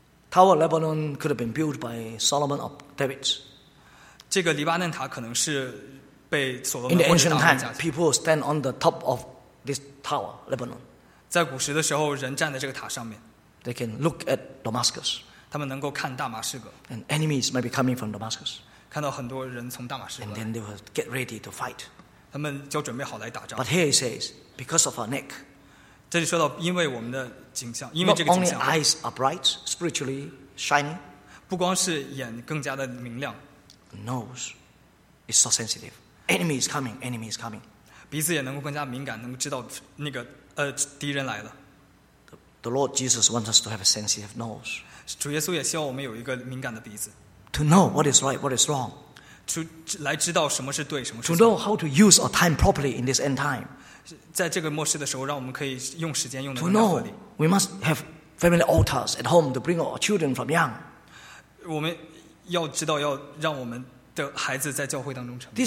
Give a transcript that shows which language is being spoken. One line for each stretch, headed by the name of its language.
English: Tower of Lebanon could have been built by Solomon of David.
Chinese: 这个黎巴嫩塔可能是被所罗门
English: In the ancient time, people stand on the top of this tower, Lebanon.
Chinese: 在古时的时候，人站在这个塔上面。
English: They can look at Damascus.
Chinese: 他们能够看大马士革,
English: and enemies might be coming from Damascus.
Chinese: 看到很多人从大马士革,
English: and then they will get ready to fight.
Chinese: 他们就准备好来打仗,
English: but here he says, because of our neck,
Chinese: 这里说到因为我们的景象,
English: not only eyes are bright, spiritually shining,
Chinese: 不光是眼更加的明亮,
English: nose is so sensitive. Enemy is coming, enemy is coming.
Chinese: 鼻子也能够更加敏感, 能够知道那个, 敌人来了。
English: The Lord Jesus wants us to have a sensitive nose.
Chinese: 主耶稣也希望我们有一个敏感的鼻子。
English: To know what is right, what is wrong.
Chinese: 来知道什么是对，什么是错。
English: To know how to use our time properly in this end time.
Chinese: 在这个末世的时候，让我们可以用时间用的。
English: To know, we must have family altars at home to bring our children from young.
Chinese: 我们要知道，要让我们的孩子在教会当中成长。